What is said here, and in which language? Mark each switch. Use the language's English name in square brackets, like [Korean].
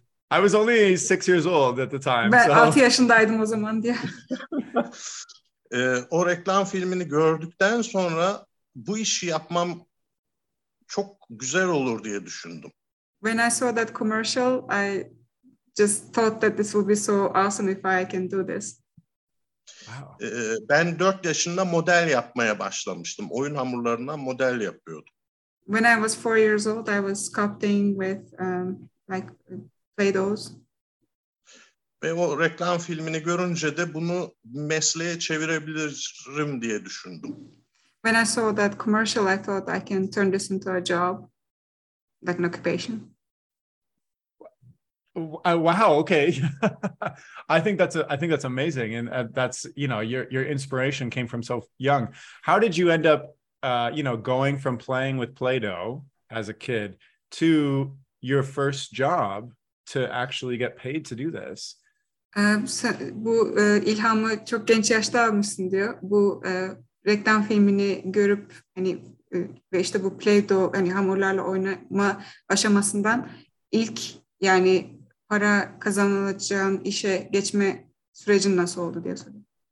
[English] I was only 6 years old at the time. [Turkish] Ben 6 yaşındaydım o zaman diye. O reklam filmini gördükten sonra bu işi yapmam çok güzel olur diye düşündüm. [English] When I saw that commercial, I just thought that this would be so awesome if I can do this. [Turkish] Wow. Ben 4 yaşında model yapmaya başlamıştım. Oyun hamurlarından model yapıyordum. [English] When I was 4 years old, I was sculpting with like Play-Dohs. [Turkish] Ve o reklam filmini görünce de bunu mesleğe çevirebilirim diye düşündüm. [English] When I saw that commercial, I thought I can turn this into a job, like an occupation. Wow. Okay. I think that's amazing. And that's, you know, your inspiration came from so young. How did you end up, you know, going from playing with Play-Doh as a kid to your first job to actually get paid to do this? [Turkish] Bu ilhamı çok genç yaşta almışsın diyor. Bu reklam filmini görüp hani ve işte bu Play-Doh hani hamurlarla oynama aşamasından ilk yani para kazanılacağın işe geçme sürecin nasıl oldu diye soruyorum.